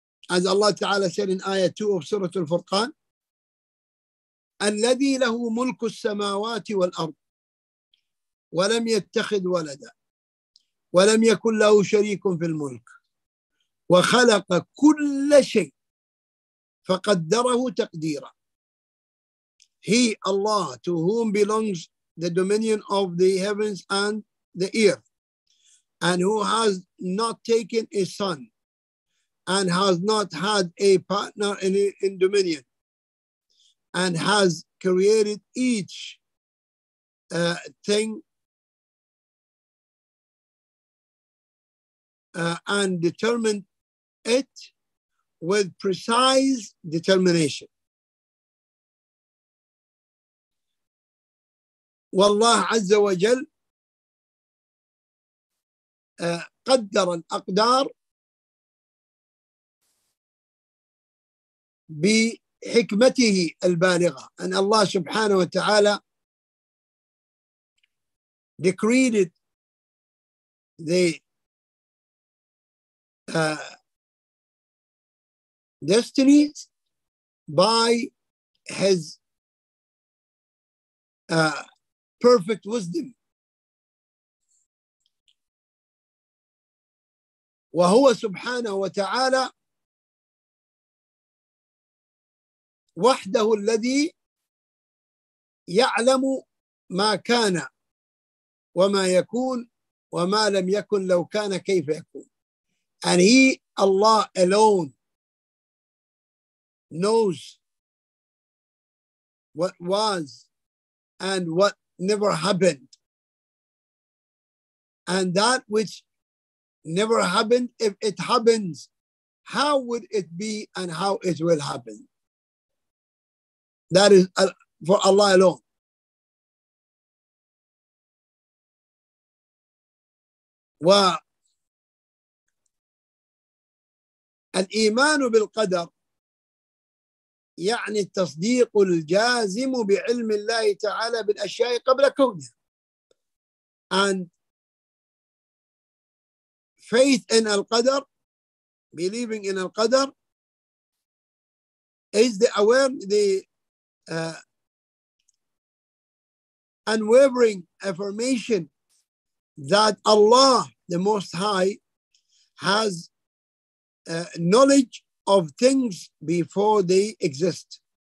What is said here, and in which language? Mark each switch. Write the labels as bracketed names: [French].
[English] As Allah Ta'ala said in Ayah 2 of Surah Al-Furqan, [Arabic] الذي له ملك السماوات والأرض ولم يتخذ ولدا ولم يكن له شريك في الملك وخلق كل شيء فقدره تقديرا. [English] He, Allah, to whom belongs the dominion of the heavens and the earth, and who has not taken a son and has not had a partner in dominion, and has created each thing and determined it with precise determination. [Arabic] والله عز وجل قدر الأقدار بحكمته البالغة. أن الله سبحانه وتعالى [English] decreed the destinies by his perfect wisdom. [Arabic] وهو سبحانه وتعالى وحده الذي يعلم ما كان وما يكون وما لم يكن لو كان كيف يكون. [English] And he, Allah alone, knows what was and what never happened, and that which never happened, if it happens, how would it be and how it will happen? That is for Allah alone. [Arabic] والإيمان بالقدر يعني التصديق الجازم بعلم الله تعالى بالأشياء قبل كونها. [English] And faith in القدر, believing in القدر, is the awareness, the unwavering affirmation that Allah, the Most High, has knowledge of things before they exist.